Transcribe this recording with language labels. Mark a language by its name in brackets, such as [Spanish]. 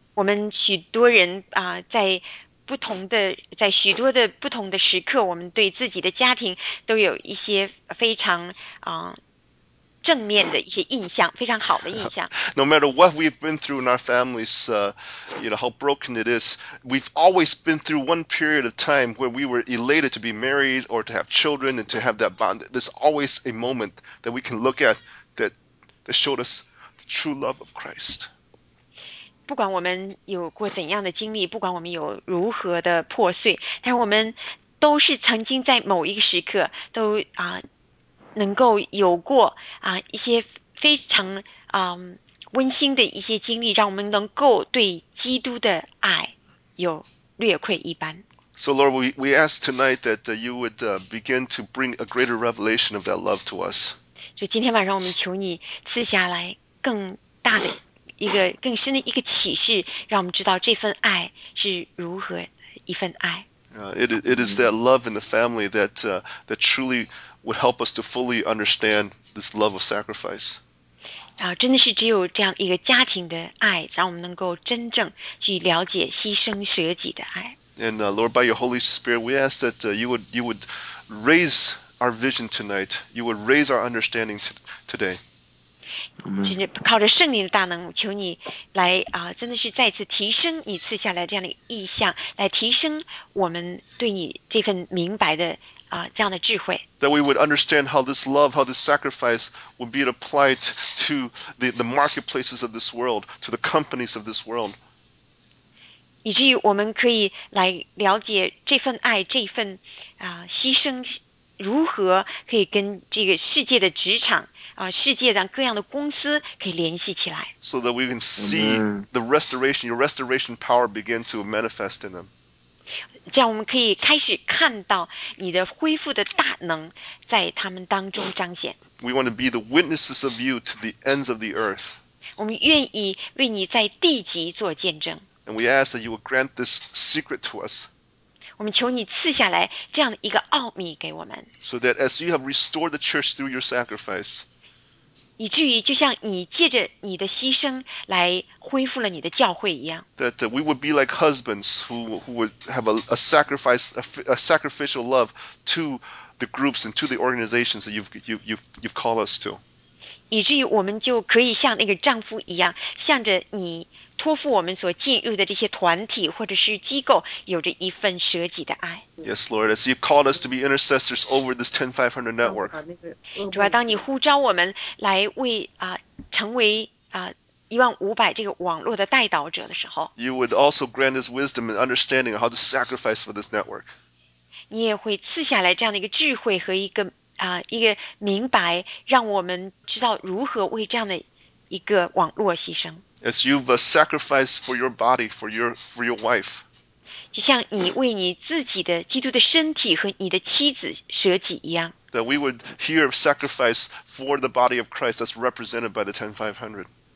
[Chinese] 我们许多人、在许多的不同的时刻，我们对自己的家庭都有一些非常、正面的一些印象，非常好的印象。 [English] No matter what we've been through in our families, you know how broken it is. We've always been through one period of time where we were elated to be married or to have children and to have that bond. There's always a moment that we can look at that showed us the true love of Christ. [Chinese] 不管我们有过怎样的经历，不管我们有如何的破碎，但我们都是曾经在某一个时刻都啊。能够有过、一些非常、温馨的一些经历，让我们能够对基督的爱有略愧一般。 [English] So Lord, we ask tonight that you would begin to bring a greater revelation of that love to us. [Chinese] 所以今天晚上我们求你赐下来更大的一个更深的一个启示，让我们知道这份爱是如何一份爱。 [English] It is that love in the family that that truly would help us to fully understand this love of sacrifice. [Chinese] 真的是只有这样一个家庭的爱，让我们能够真正去了解牺牲舍己的爱。 [English] And Lord, by your Holy Spirit, we ask that you would raise our vision tonight. You would raise our understanding today. [Chinese] 真的靠着圣灵的大能，求你来真的是再次提升你赐下来这样的意象，来提升我们对你这份明白的这样的智慧。 [English] That we would understand how this love, how this sacrifice would be applied to the marketplaces of this world, to the companies of this world. [Chinese] 以至于我们可以来了解这份爱，这份牺牲如何可以跟这个世界的职场世界上各样的公司可以联系起来。 [English] So that we can see the restoration, your restoration power begin to manifest in them. [Chinese] 这样我们可以开始看到你的恢复的大能在他们当中彰显。 [English] We want to be the witnesses of you to the ends of the earth. [Chinese] 我们愿意为你在地极做见证。 [English] And we ask that you will grant this secret to us. [Chinese] 我们求你赐下来这样一个奥秘给我们。 [English] So that as you have restored the church through your sacrifice, [Chinese] 以至于就像你借着你的牺牲来恢复了你的教会一样。 [English] That we would be like husbands who would have a sacrificial love to the groups and to the organizations that you've called us to. [Chinese] 以至于我们就可以像那个丈夫一样，向着你。托付我们所进入的这些团体或者是机构，有着一份舍己的爱。 [English] Yes, Lord, as you've called us to be intercessors over this 10500 network. [Chinese] 主要当你呼召我们来为成为1500这个网络的代导者的时候 [English] ，You would also grant us wisdom and understanding of how to sacrifice for this network. [Chinese] 你也会赐下来这样的一个智慧和一个明白，让我们知道如何为这样的一个网络牺牲。 [English] As you've sacrificed for your body, for your wife. [Chinese] 就像你为你自己的基督的身体和你的妻子舍己一样。 [English] That we would hear of sacrifice for the body of Christ that's represented by the 10500.